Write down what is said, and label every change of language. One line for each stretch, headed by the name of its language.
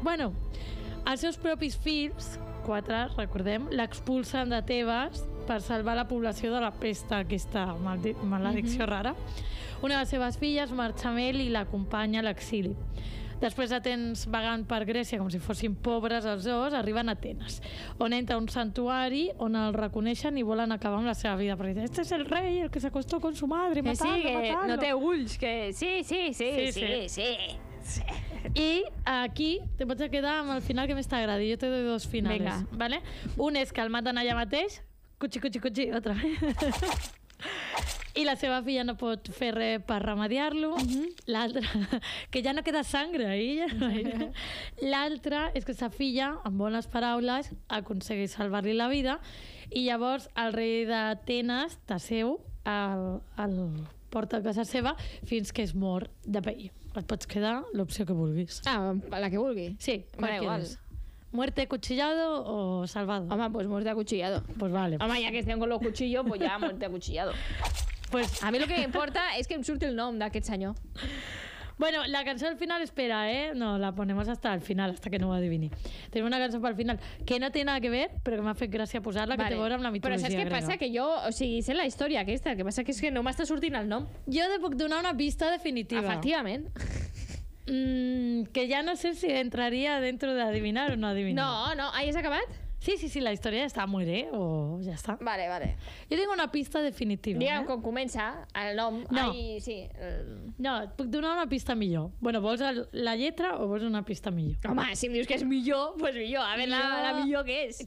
Catalan: Bueno, els seus propis fills, quatre, recordem, l'expulsen de Tebes per salvar la població de la pesta, aquesta maledicció rara. Una de les seves filles marxa amb ell i l'acompanya a l'exili. Després de temps vagant per Grècia com si fossin pobres els dos, arriben a Atenes, on entra un santuari on el reconeixen i volen acabar amb la seva vida.
Spanish: Perquè dicen, este es el rei, el que se acostó con su madre, matando, sí, que matando.
Catalan: No té ulls, que sí, sí, sí, sí, sí, sí, sí, sí. I aquí te pots quedar amb el final que més t'agradi.
Spanish: Jo te doy dos finales. Venga. ¿Vale?
Catalan: Un és que el maten allà mateix, cuchi, cuchi, cuchi,
Spanish: otra vez.
Catalan: I la seva filla no pot fer res per remediar-lo. L'altra, que ja no queda
Spanish: sangre ahí.
Catalan: L'altra és que sa filla, amb bones paraules, aconsegueix salvar-li la vida. I llavors el rei d'Atenes, Teseu, el porta a casa seva fins que és mort de pell. Et pots quedar l'opció que vulguis. Ah, la que vulgui? Sí, qualsevol.
Spanish: ¿Muerte acuchillado o salvado? Home, pues muerte acuchillado. Pues vale. Home, ya que estén con los cuchillos, pues ya muerte acuchillado. Pues a mí lo que me importa es que me surte el nombre de aquel señor. Bueno, la canción al final espera, ¿eh? No, la ponemos hasta el final, hasta que no lo adivine. Tenemos una canción para el final que no tiene nada que ver, pero que me hace gracia posarla, vale. Que te voy a dar una mitología. Pero ¿sabes qué pasa? Que yo, o sea, sé la historia que esta, que pasa que es que no me está surtiendo el nombre. Yo te puedo dar una pista definitiva. Efectivamente. Que ya no sé si entraría dentro de adivinar o no adivinar. No, no, ahí es acabat.
Catalan: Sí, sí, sí, la història està, muere o ja està. Vale, vale. Jo tinc una pista definitiva. Digue'm com comença, el nom. No. Ai, sí. No, et puc donar una pista millor. Bueno, vols la lletra o vols una pista millor? Home, si em dius que és millor, doncs pues millor. A veure la millor que és.